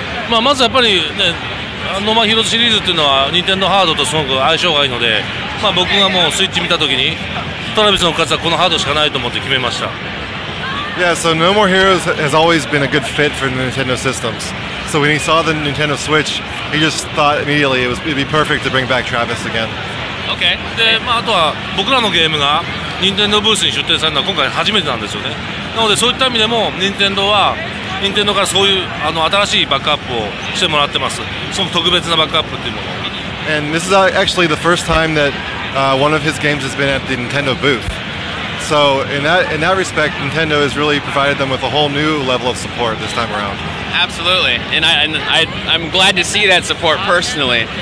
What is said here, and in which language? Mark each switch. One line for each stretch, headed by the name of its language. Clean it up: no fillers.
Japanese: まずやっぱりね、ノーマーヒローズシリーズっていうのは任天堂ハードとすごく相性がいいので、僕がもうスイッチ見たときにトラビスの復活はこのハードしかないと思って決めました。
English: Yeah, so No More Heroes has always been a good fit for Nintendo systems. So when he saw the Nintendo Switch, he just thought immediately it'd be perfect to bring back Travis again. Okay.
Japanese: で、あとは僕らのゲームが任天堂ブースに出展されるのは今回初めてなんですよね。なのでそういった意味でも任天堂はニンテンドーからそういう新しいバックアップをしてもらってます。その特別なバックアップっていうもの。
English: And this is actually the first time that one of his games has been at the Nintendo booth. So in that respect, Nintendo has really provided them with a whole new level of support this time around. Absolutely, and I'm glad to see that support personally.